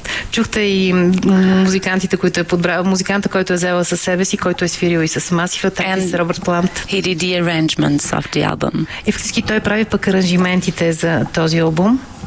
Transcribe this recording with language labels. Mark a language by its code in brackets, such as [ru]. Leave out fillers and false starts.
[bg] чухте и музикантите, които е подбрал, музиканта, който е взела със себе си, който е свирил и с Massive Attack и с Robert Plant. [en] He did the arrangements of the album. [bg] И фактически той прави пък аранжиментите за този албум.